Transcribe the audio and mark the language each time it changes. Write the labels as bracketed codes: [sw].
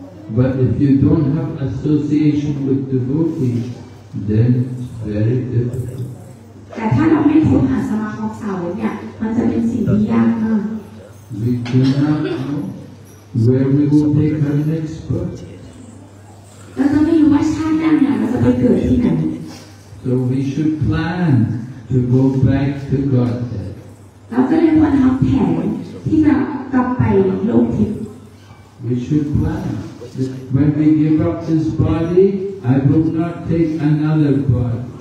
[en] But if you don't have association with devotees, then it's very difficult. [th] แต่ถ้าเราไม่คบหาสมาคมสาวกเนี่ยมันจะเป็นสิ่งที่ยากมาก [en] We do not know where we will take our next breath. [th] เราจะไม่รู้ว่าชาติหน้าเนี่ยเราจะไปเกิดที่ไหน [en] So we should plan to go back to Godhead. [th] เราจะเรียกว่าทำแผนที่จะกลับไปโลกทิพย์ [en] We should plan. When we give up this body, I will not take another body.